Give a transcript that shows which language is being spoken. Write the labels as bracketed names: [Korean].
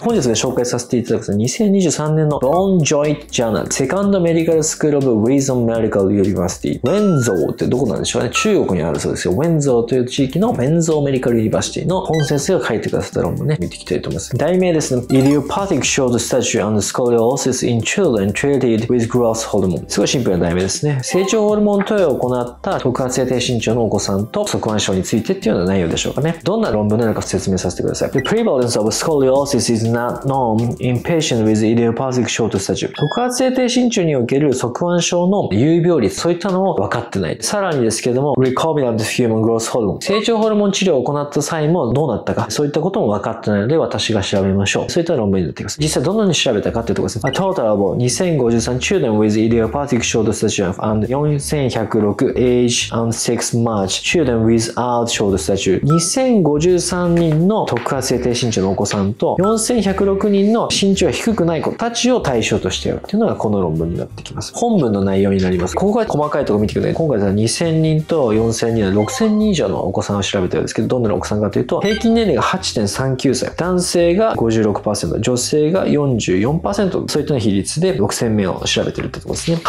[Japanese] 本日ね紹介させていただくのは2023年のボンジョイジャーナルセカンドメディカルスクールオブウィズンメディカルユニバーシティ、ウェンゾーってどこなんでしょうね、中国にあるそうですよ。ウェンゾーという地域のウェンゾーメディカルユニバーシティの本先生が書いてくださった論文ね、見ていきたいと思います。題名ですね、 [English] イディオパティックショートスタジオアンドスコリオーシスインチルドレントリティウィズグロースホルモン。 [Japanese] すごいシンプルな題名ですね。成長ホルモン投与を行った特発性低身長のお子さんと側弯症についてっていうような内容でしょうかね。どんな論文なのか説明させてください。 [English] The prevalence of scoliosis is not known in patients with idiopathic short stature。 [Japanese] 特発性低身長における側弯症の有病率、そういったのを分かってない。さらにですけども、recombinant human growth hormone、成長ホルモン治療を行った際もどうなったか、そういったことも分かってないので、私が調べましょう。そういった論文になっています。実際どのように調べたかっていうところですね。 [English] Total of 2053 children with idiopathic short stature and 4106 age and sex match children without short stature。 [Japanese] 2053人の特発性低身長のお子さんと、4106人の身長が低くない子たちを対象としてっていうのがこの論文になってきます。本文の内容になります。ここが細かいところ見てください。今回は2000人と4000人の6000人以上のお子さんを調べたようですけど、どんなお子さんかというと、平均年齢が 8.39 歳、男性が 56%、 女性が 44%、 そういった比率で6000名を調べてるってところですね。